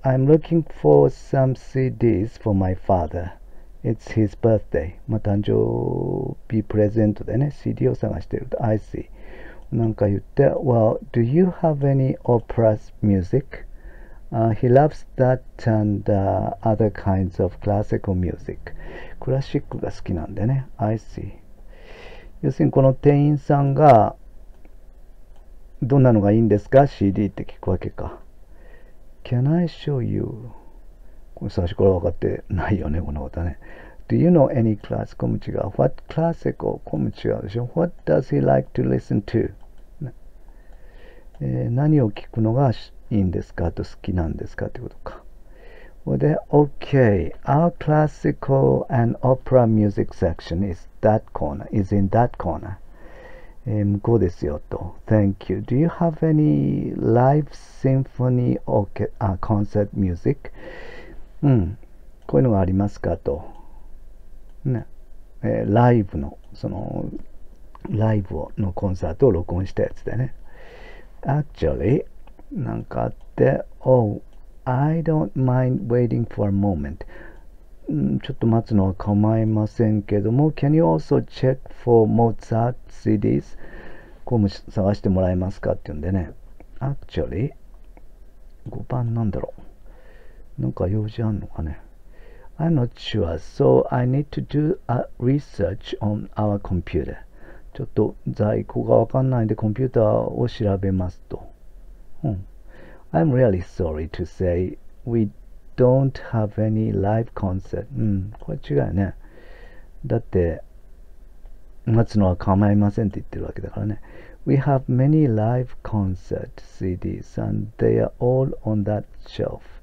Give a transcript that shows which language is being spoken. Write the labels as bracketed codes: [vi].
[en] I'm looking for some CDs for my father. It's his birthday. [ja] まあ、誕生日プレゼントでね、CD を探してると。 [en] I see. [ja] なんか言って、 [en] Well, do you have any opera music? He loves that and other kinds of classical music. [ja] クラシックが好きなんでね。 [en] I see. [ja] 要するに、この店員さんが、どんなのがいいんですか ?CD って聞くわけか。 [en] Can I show you? [ja] これ最初から分かってないよね、この方ね。 [en] Do you know any classical? [ja] コム違う。 [en] What classical? [ja] コム違うでしょ。 [en] What does he like to listen to? [ja] 何を聞くのがいいんですかと、好きなんですかということか。で、OK。 [en] Our classical and opera music section is that corner. Is in that corner. [ja] 向こうですよと。 [en] Thank you. Do you have any live symphony or concert music? [ja] こういうのがありますかと。ね、ライブの、その、ライブを、のコンサートを録音したやつでね。 [en] Actually, [ja] なんかあって、 [en] Oh, I don't mind waiting for a moment. [ja] ちょっと待つのは構いませんけども、 [en] Can you also check for Mozart CDs? [ja] 公務探してもらえますかって言うんでね、アクチュアリー5番なんだろう、なんか用事あんのかね。 [en] I'm not sure, so I need to do a research on our computer. [ja] ちょっと在庫がわかんないんでコンピューターを調べますと。 [en] I'm really sorry to say we don't have any live concert. [ja] これ違うね。だって、待つのは構いませんって言ってるわけだからね。 [en] We have many live concert CDs and they are all on that shelf.